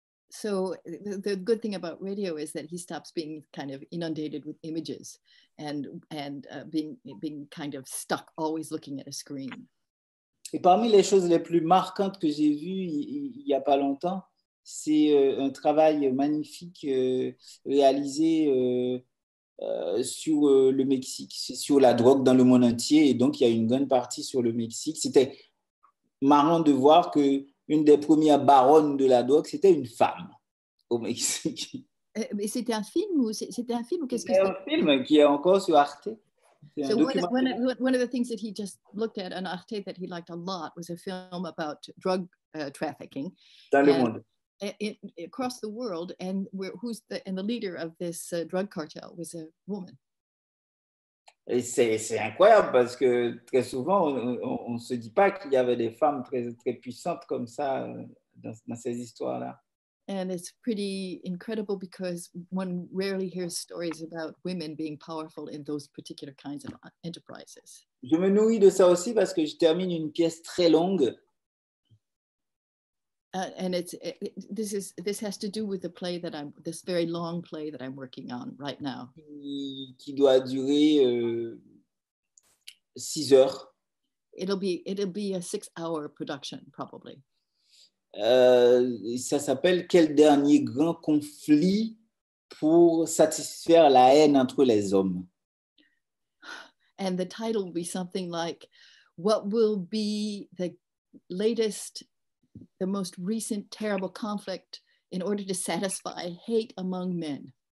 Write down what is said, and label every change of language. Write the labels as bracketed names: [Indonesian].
[English] So the good thing about radio is that he stops being kind of inundated with images and being kind of stuck always looking at a screen. [French] Et parmi les choses les plus marquantes que j'ai vues il y a pas longtemps, c'est un travail magnifique réalisé sur le Mexique, sur la drogue dans le monde entier, et donc il y a une grande partie sur le Mexique. C'était marrant de voir que une des premières baronnes de la drogue, c'était une femme au Mexique. Mais c'était un film ou c'était un film ou qu'est-ce c'était que c'est un film qui est encore sur Arte. [English] One of the things that he just looked at on Arte that he liked a lot was a film about drug trafficking. [French] Dans le monde. [English] Across the world, and the leader of this drug cartel was a woman. [French] Et c'est incroyable parce que très souvent on se dit pas qu'il y avait des femmes très très puissantes comme ça dans ces histoires là. [English] And it's pretty incredible because one rarely hears stories about women being powerful in those particular kinds of enterprises. [French] Je me nourris de ça aussi parce que je termine une pièce très longue. [English] And this has to do with the play that I'm, this very long play that I'm working on right now. [French] Qui doit durer 6 heures. [English] It'll be a 6-hour production probably. [French] Ça s'appelle Quel dernier grand conflit pour satisfaire la haine entre les hommes. [English] And the title will be something like What will be the latest, the most recent terrible conflict in order to satisfy hate among men.